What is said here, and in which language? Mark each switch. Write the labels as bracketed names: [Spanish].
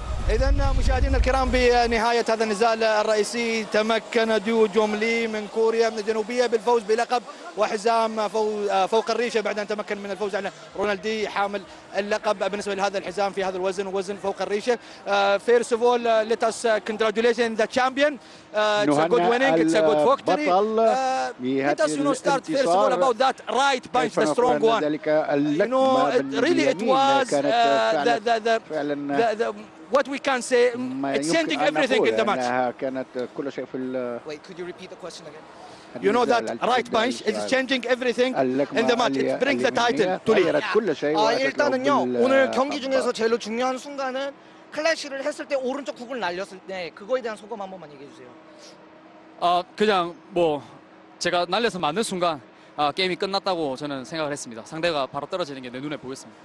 [Arabic] إذن مشاهدينا الكرام بنهاية هذا النزال الرئيسي تمكن ديو جوملي من كوريا من الجنوبية بالفوز بلقب وحزام فوق الريشة بعد أن تمكن من الفوز على رونالدي حامل اللقب بالنسبة لهذا الحزام في هذا الوزن وزن فوق الريشة. [English] First of all, let us congratulate the champion. It's a good winning, it's a good victory. Let us start first of all about that right punch, the strong one. What we can say, it's changing everything in the match. Wait, could you repeat the question again? You know that right punch is changing everything in the match. It brings the title to Lee. [Korean] 일단은요, 오늘 경기 중에서 제일 중요한 순간은 클래시를 했을 때 오른쪽 국을 날렸을 때 그거에 대한 소감 한 번만 얘기해 주세요. 그냥 뭐 제가 날려서 맞는 순간 게임이 끝났다고 저는 생각을 했습니다. 상대가 바로 떨어지는 게 내 눈에 보였습니다.